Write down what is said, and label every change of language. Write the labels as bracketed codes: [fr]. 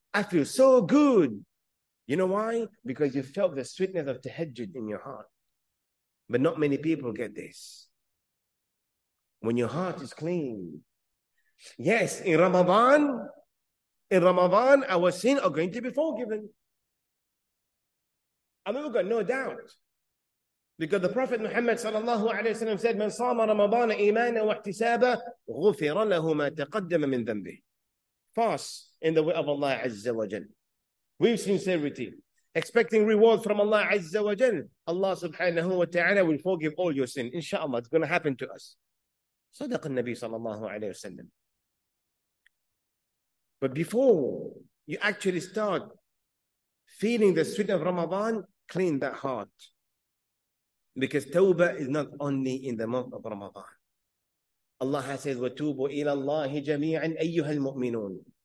[en] I feel so good. You know why? Because you felt the sweetness of tahajjud in your heart. But not many people get this. When your heart is clean. Yes, in Ramadan, our sins are going to be forgiven. I mean, we've got no doubt. Because the Prophet Muhammad sallallahu alayhi wa sallam said, [ar] من صام رمضان إيمانا واحتسابا غفر له ما تقدم من ذنبه. [en] Fast in the way of Allah Azza wa Jal. With sincerity. Expecting reward from Allah Azza wa Jal. Allah subhanahu wa ta'ala will forgive all your sin. Inshallah, it's going to happen to us. Sadaq al-Nabi sallallahu alayhi wa sallam. But before you actually start feeling the sweet of Ramadan, clean that heart. Because tawbah is not only in the month of Ramadan. Allah says, [ar] وَتُوبُوا إِلَى اللَّهِ جَمِيعًا أَيُّهَا الْمُؤْمِنُونَ.